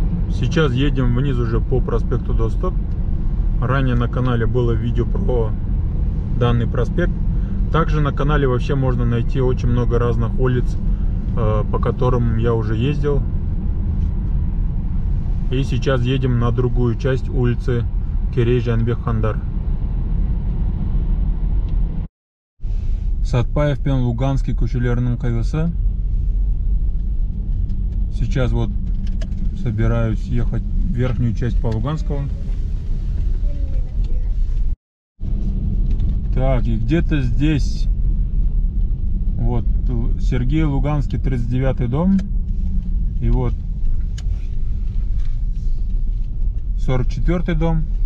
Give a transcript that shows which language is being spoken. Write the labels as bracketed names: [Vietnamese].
[Russian] Сейчас едем вниз уже по проспекту Досток. Ранее на канале было видео про данный проспект. Также на канале вообще можно найти очень много разных улиц, по которым я уже ездил. И сейчас едем на другую часть улицы Керей-Жанбек-Хандар. [Kazakh] Сатпаев пен Луганский көшелерінің қиылысы. [Russian] Сейчас вот собираюсь ехать в верхнюю часть по Луганскому. Так, и где-то здесь, вот, Сергей Луганский, 39-й дом, и вот, 44-й дом.